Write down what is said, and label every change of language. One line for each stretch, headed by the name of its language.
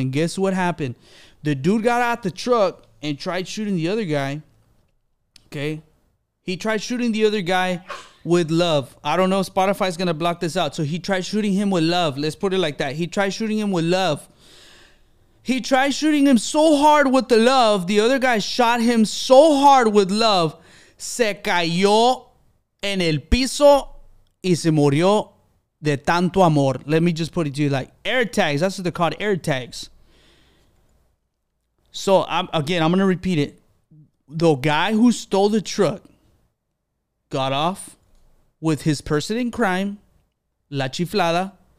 English: And guess what happened? The dude got out the truck and tried shooting the other guy. Okay. He tried shooting the other guy with love. I don't know if Spotify is going to block this out. So he tried shooting him with love. Let's put it like that. He tried shooting him with love. He tried shooting him so hard with the love. The other guy shot him so hard with love.
Spanish: Se cayó en el piso y se murió de tanto amor.
English: Let me just put it to you like air tags. That's what they're called, air tags. So I'm going to repeat it. The guy who stole the truck got off with his person in crime, La Chiflada.